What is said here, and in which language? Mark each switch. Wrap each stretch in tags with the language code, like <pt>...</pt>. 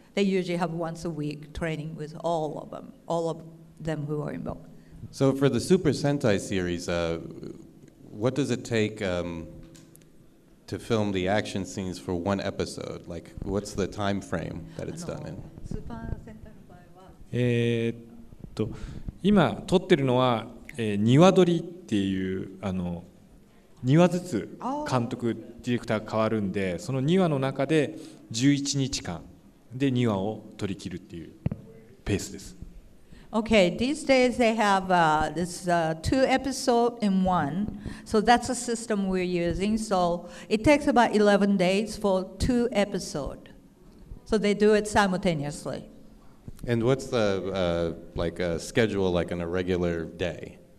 <en>They usually have once a week training with all of them who are involved. So for the Super Sentai series, what does it take to film the action scenes for one episode? Like, what's the time frame that it's done in?</en> <ja>Super Sentai ファイは今撮ってるのはニワドリっていう、2話ずつ監督ディレクターが変わるんで、その2話の中で 11日間 で 2話を 取り切るっていうペースです。</ja> <en>Okay, these days they have two episodes in one. So that's the system we're using. So it takes about 11 days for two episodes. So they do it simultaneously. And what's the schedule like on a regular day?</en>